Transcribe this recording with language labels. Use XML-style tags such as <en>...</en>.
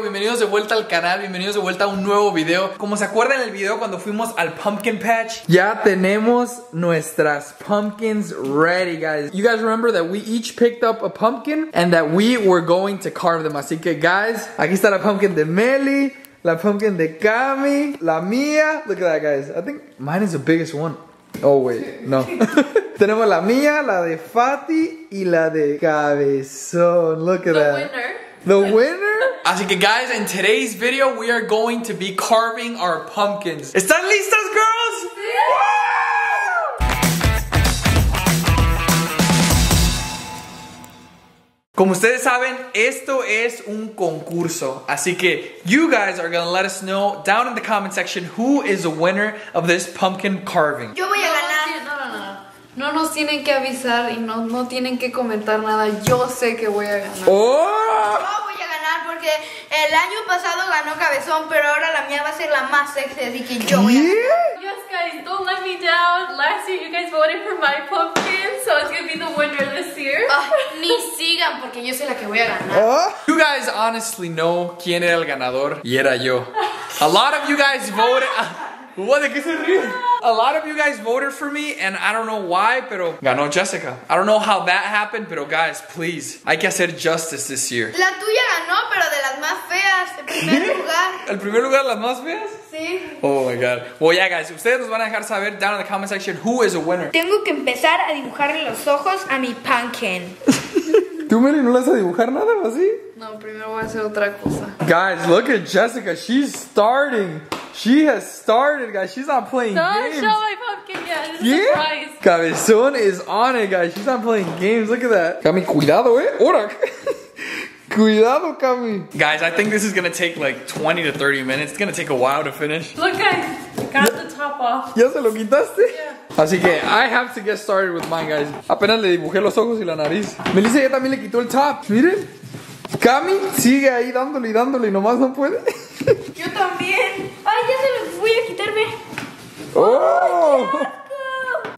<es>Bienvenidos de vuelta al canal, bienvenidos de vuelta a un nuevo video. Como se acuerdan en el video cuando fuimos al pumpkin patch, ya tenemos nuestras pumpkins</es> <en>ready, guys. You guys remember that we each picked up a pumpkin and that we were going to carve them.</en> <es>Así que guys, aquí está la pumpkin de Meli, la pumpkin de Cami, la mía.</es> <en>Look at that, guys. I think mine is the biggest one. Oh, wait, no.</en> <es>Tenemos la mía, la de Fati y la de Cabezón.</es> <en>Look at that. The winner. The winner.</en> <es>Así que,</es> <en>guys, in today's video, we are going to be carving our pumpkins.</en> <es>¿Están listas, girls?</es> <en>Yeah.</en> <es>Como ustedes saben, esto es un concurso. Así que</es> <en>you guys are gonna let us know down in the comment section who is the winner of this pumpkin carving.</en> <es>Yo voy a ganar. No, nos tienen que avisar y no tienen que comentar nada. Yo sé que voy a ganar. Oh. Yo voy a ganar porque el año pasado ganó Cabezón, pero ahora la mía va a ser la más sexy, así que yo voy a ganar.</es> <en>Yes, guys, don't let me down. Last year you guys voted for my pumpkin, so it's gonna be the winner this year.</en> <es>Ni sigan porque yo soy la que voy a ganar.</es> <en>You guys honestly know</en> <es>quién era el ganador y era yo.</es> <en>A lot of you guys voted. What? A lot of you guys voted for me, and I don't know why,</en> <es>pero ganó Jessica.</es> <en>I don't know how that happened,</en> <es>pero</es> <en>guys, please,</en> <es>hay que hacer</es> <en>justice this year.</en> <es>La tuya ganó, pero de las más feas, el primer lugar. ¿El primer lugar de las más feas? Sí.</es> <en>Oh my god. Well, yeah, guys,</en> <es>ustedes nos van a dejar saber</es> <en>down in the comment section who is a winner.</en> <es>Tengo que empezar a dibujarle los ojos a mi pumpkin. ¿Tú, Meli, no le vas a dibujar nada o así? No, primero voy a hacer otra cosa.</es> <en>Guys, look at Jessica, she's starting. She has started, guys. She's not playing games. Don't show my pumpkin yet. It's a surprise. Cabezón is on it, guys. She's not playing games. Look at that. Cami,</en> <es>cuidado, eh.</es> <en>Ora.</en> <es>Cuidado, Cami.</es> <en>Guys, I think this is going to take like 20 to 30 minutes. It's going to take a while to finish. Look, guys. Got the top off.</en> <es>¿Ya se lo quitaste?</es> <en>Yeah.</en> <es>Así que</es> <en>I have to get started with mine, guys.</en> <es>Apenas le dibujé los ojos y la nariz. Melissa ya también le quitó el top. Miren. Cami sigue ahí dándole y dándole y nomás no puede. Yo también. Ay, ya se lo voy a quitarme. ¡Oh! Oh, qué asco.</es>